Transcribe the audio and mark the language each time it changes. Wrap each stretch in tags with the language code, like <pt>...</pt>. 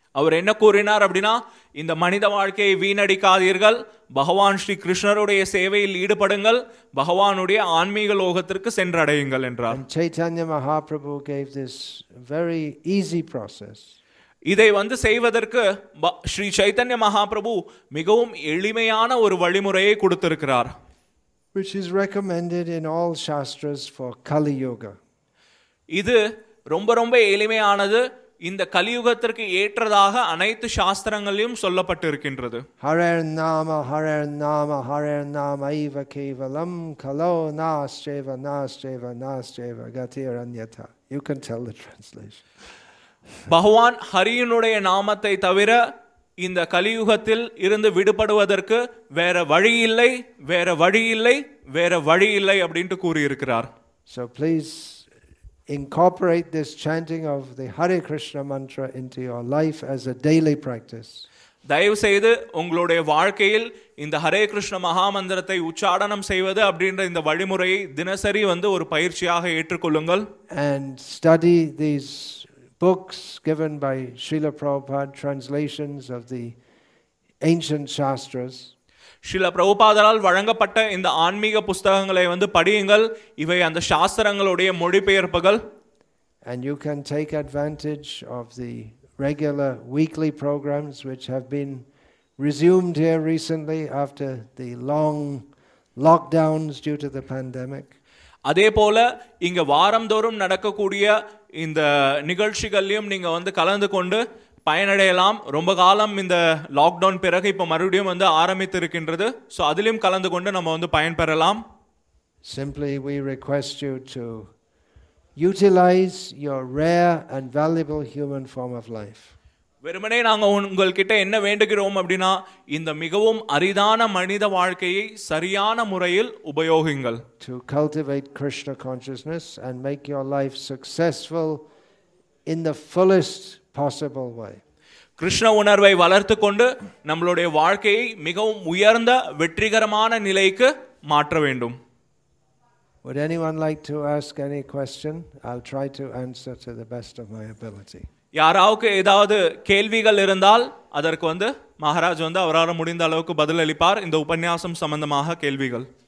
<ta>அவர் என்ன கூறினார் அப்படின்னா, இந்த மனித வாழ்க்கையை வீணடிக்காதீர்கள், பகவான் ஸ்ரீ கிருஷ்ணருடைய சேவையில் ஈடுபடுங்கள், பகவானுடைய ஆன்மீக லோகத்திற்கு சென்றடையுங்கள் என்றார்.</ta> <en>Chaitanya Mahaprabhu gave this very easy process.</en> <ta>இதை வந்து செய்வதற்கு ஸ்ரீ சைதன்ய மகாபிரபு மிகவும் எளிமையான ஒரு வழிமுறையை கொடுத்திருக்கிறார்.</ta> <en>Which is recommended in all shastras for Kali Yuga.</en> <ta>இது ரொம்ப ரொம்ப எளிமையானது. இந்த கலியுகத்திற்கு ஏற்றதாக அனைத்து சாஸ்திரங்களிலும் சொல்லப்பட்டிருக்கின்றது.</ta> <sa>ஹரேர் நாம ஹரேர் நாம ஹரேர் நாம ஐவ கேவலம் கலோ நாஸ்தேவ நாஸ்தேவ நாஸ்தேவ கதிர் அன்யதா.</sa> <en>You can tell the translation.</en> <ta>பகவான் ஹரியினுடைய நாமத்தை தவிர இந்த கலியுகத்தில் இருந்து விடுபடுவதற்கு வேற வழி இல்லை, வேற வழி இல்லை, வேற வழி இல்லை அப்படின்ட்டு கூறியிருக்கிறார்.</ta> <en>So please incorporate this chanting of the Hare Krishna mantra into your life as a daily practice.</en> <ta>தயவு செய்து உங்களுடைய வாழ்க்கையில் இந்த ஹரே கிருஷ்ண மகா மந்திரத்தை உச்சாரணம் செய்வது அப்படிங்கற இந்த வழிமுறையை தினசரி வந்து ஒரு பயிற்சியாக ஏற்றுக்கொள்ளுங்கள்.</ta> <en>And study these books given by Srila Prabhupada, translations of the ancient shastras.</en> <ta>Srila பிரபுபாதரால் வழங்கப்பட்ட இந்த ஆன்மீக புஸ்தகங்களை வந்து படியுங்கள். இவை அந்த சாஸ்திரங்களுடைய மொழிபெயர்ப்புகள்.</ta> <en>And you can take advantage of the regular weekly programs which have been resumed here recently after the long lockdowns due to the pandemic.</en> <ta>அதே போல இங்க வாரந்தோறும் நடக்கக்கூடிய இந்த நிகழ்ச்சிகளையும் நீங்க வந்து கலந்து கொண்டு பயனடையலாம். ரொம்ப காலம் இந்த லாக்டவுன் பிறகு இப்ப மறுபடியும் வந்து ஆரம்பித்து இருக்கின்றது. சோ அதிலும் கலந்து கொண்டு நம்ம வந்து பயன்பெறலாம்.</ta> <en>Simply we request you to Utilize your rare and valuable human form of life.</en> <ta>வெறுமனே நாங்கள் உங்கள்கிட்ட என்ன வேண்டுகிறோம் அப்படின்னா, இந்த மிகவும் அரிதான மனித வாழ்க்கையை சரியான முறையில் உபயோகிங்கள்.</ta> <en>To cultivate Krishna consciousness and make your life successful in the fullest possible way.</en> <ta>Krishna உணர்வை வளர்த்து கொண்டு நம்மளுடைய வாழ்க்கையை மிகவும் உயர்ந்த வெற்றிகரமான நிலைக்கு மாற்ற வேண்டும்.</ta> <en>Would anyone like to ask any question? I'll try to answer to the best of my ability.</en> <ta>யாராவுக்கு ஏதாவது கேள்விகள் இருந்தால் அதற்கு வந்து மகாராஜ் வந்து அவரால் முடிந்த அளவுக்கு பதிலளிப்பார். இந்த உபன்யாசம் சம்பந்தமாக கேள்விகள்.</ta>